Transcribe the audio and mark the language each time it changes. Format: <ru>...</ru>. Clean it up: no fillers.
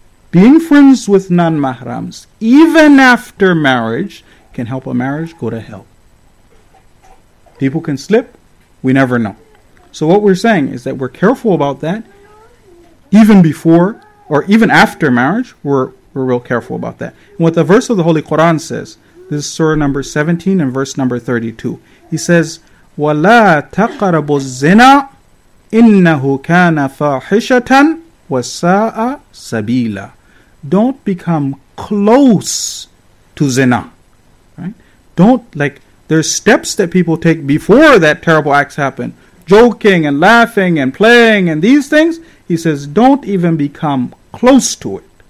<en>Being friends with non-mahrams, even after marriage, can help a marriage go to hell. People can slip. We never know. So what we're saying is that we're careful about that even before or even after marriage. We're real careful about that. And what the verse of the Holy Quran says, this is surah number 17 and verse number 32. He says,</en> <ar>ولا تقربوا الزنا إنه كان فاحشة وساء سبيلا.</ar> <en>Don't become close to zina. Right? Don't, like, there's steps that people take before that terrible acts happen. Joking and laughing and playing and these things. He says, don't even become close to it.</en>